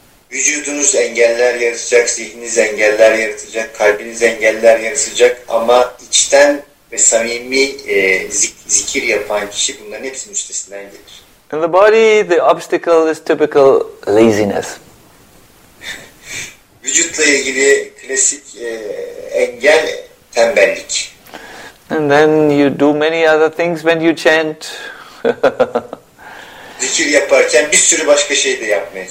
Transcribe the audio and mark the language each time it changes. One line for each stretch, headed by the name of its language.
Turkish: Vücudunuz engeller yaratacak, zihniniz engeller yaratacak, kalbiniz engeller yaratacak ama içten ve samimi zikir yapan kişi bunların hepsinin üstesinden gelir.
English: In the body, the obstacle is typical laziness.
Turkish: Vücutla ilgili klasik engel tembellik.
English: And then you do many other things when you chant.
Turkish: Zikir yaparken bir sürü başka şey de yapmaya